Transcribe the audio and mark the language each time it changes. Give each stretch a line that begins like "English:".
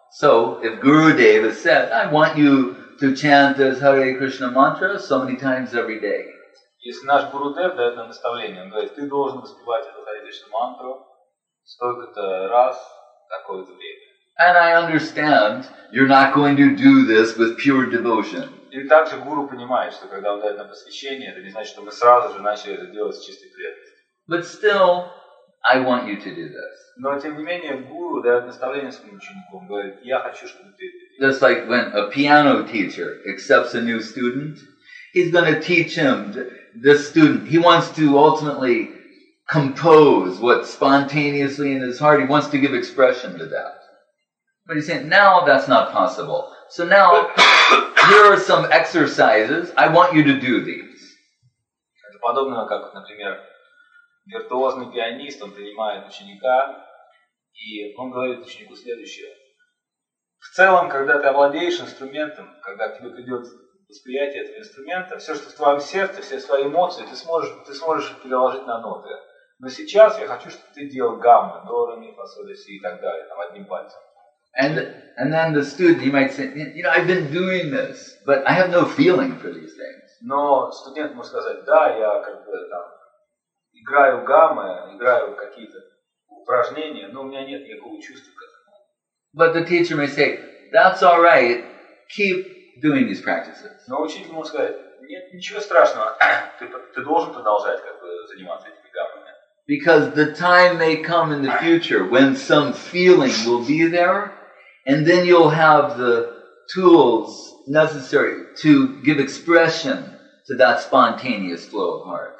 English: So, if Gurudev has said, I want you to chant this Hare Krishna mantra so many times every day.
Russian: Если наш Гурудев дает нам наставление, он говорит, ты должен воспевать эту Харе Кришна мантру столько-то раз, такое-то время.
English: And I understand you're not going to do this with pure devotion.
Russian: И также гуру понимает, что когда он дает нам посвящение, это не значит, что мы сразу же начали это делать с чистой преданностью.
English: But still, I want you to do this.
Russian: Но тем не менее гуру дает наставление своим ученикам, говорит, я хочу, чтобы ты.
English: Just like when a piano teacher accepts a new student, he's going to teach him this student. He wants to ultimately compose what spontaneously in his heart. He wants to give expression to that. But he's saying now that's not possible. So now here are some exercises. I want you to do these.
Russian: Это подобно, как, например, виртуозный пианист, он принимает ученика, и он говорит ученику следующее. В целом, когда ты овладеешь инструментом, когда к тебе придет восприятие этого инструмента, все, что в твоем сердце, все свои эмоции, ты сможешь переложить на ноты. Но сейчас я хочу, чтобы ты делал гаммы, до, ре, ми, фа, соль, си и так далее, там, одним пальцем.
English: And then the student, he might say, you know, I've been doing this, but I have no feeling for these things.
Russian: Но студент может сказать, да, я как бы там играю гаммы, играю какие-то упражнения, но у меня нет никакого чувства к этому.
English: But the teacher may say, that's all right, keep doing these practices.
Russian: Но учитель может сказать, нет, ничего страшного, ты должен продолжать как бы заниматься этими гаммами.
English: Because the time may come in the future when some feeling will be there, and then you'll have the tools necessary to give expression to that spontaneous flow of heart.